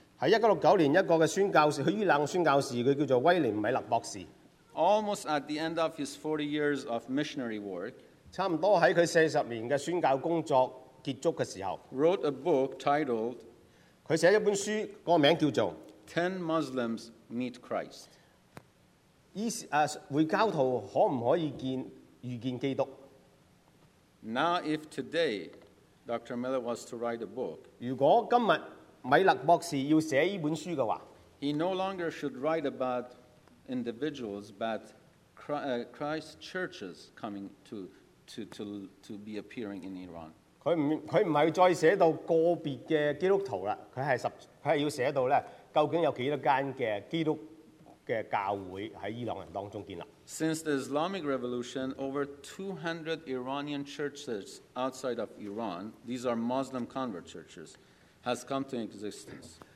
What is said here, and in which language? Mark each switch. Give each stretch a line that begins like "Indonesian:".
Cantonese: 喺1969年一個嘅宣教士，佢伊朗宣教士，佢叫做威廉米勒博士。
English: Almost at the end of his 40 years of missionary work,
Cantonese: 差唔多喺佢四十年嘅宣教工作結束嘅時候
English: ，wrote a book titled，
Cantonese: 佢寫一本書，個名叫做
English: 10 Muslims Meet Christ。
Cantonese: 回教徒可唔可以遇見基督
English: ？Now if today Dr. Miller was to write a book，
Cantonese: 如果今日米勒博士要寫依本書嘅話
English: ，He no longer should write about individuals, but Christ churches coming to be appearing in Iran。
Cantonese: 佢唔係再寫到個別嘅基督徒啦，佢係要寫到咧，究竟有幾多間嘅基督？嘅教會喺伊朗人當中建立。
English: Since the Islamic Revolution, over 200 Iranian churches outside of Iran, these are Muslim convert churches, has come to existence.